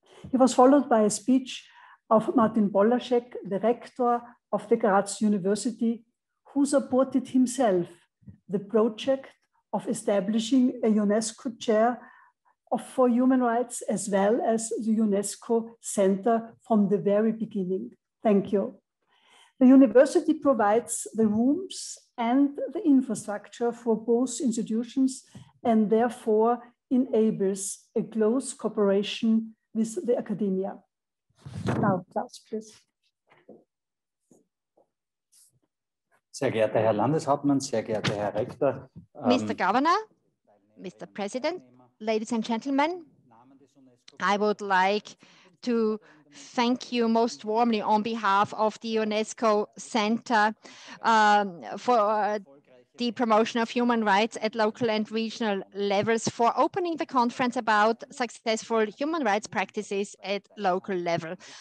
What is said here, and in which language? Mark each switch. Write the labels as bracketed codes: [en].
[en] He was followed by a speech of Martin Bolaschek, the rector of the Graz University, who supported himself the project of establishing a UNESCO chair for human rights as well as the UNESCO center from the very beginning. Thank you. The university provides the rooms and the infrastructure for both institutions and therefore enables a close cooperation with the academia. Now, Klaus, please. [de] Sehr geehrter Herr Landeshauptmann, sehr geehrter Herr Rektor. [en] Mr. Governor, Mr. President, ladies and gentlemen, I would like to thank you most warmly on behalf of the UNESCO Center for the promotion of human rights at local and regional levels for opening the conference about successful human rights practices at local level.